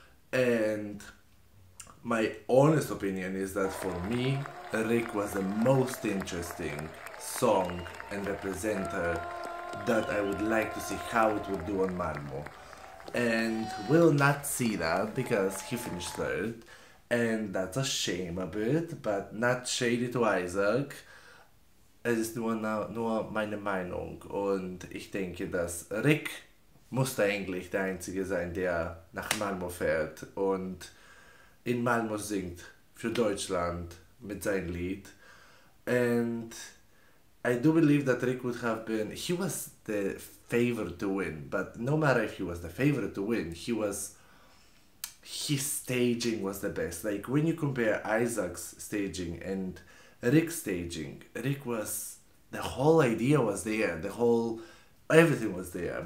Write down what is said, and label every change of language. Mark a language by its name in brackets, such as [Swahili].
[English] And my honest opinion is that for me, Rick was the most interesting song and representer that I would like to see how it would do on Malmö. And we'll not see that because he finished third, and that's a shame a bit, but not shady to Isaak. [German] Es ist nur meine Meinung, und ich denke, dass Rick musste eigentlich der Einzige sein, der nach Malmö fährt und in Malmö singt für Deutschland mit seinem Lied. [English] And I do believe that Rick would have been, he was the favorite to win, but no matter if he was the favorite to win, his staging was the best. Like when you compare Isaac's staging and Rick's staging, Rick was, the whole idea was there, everything was there.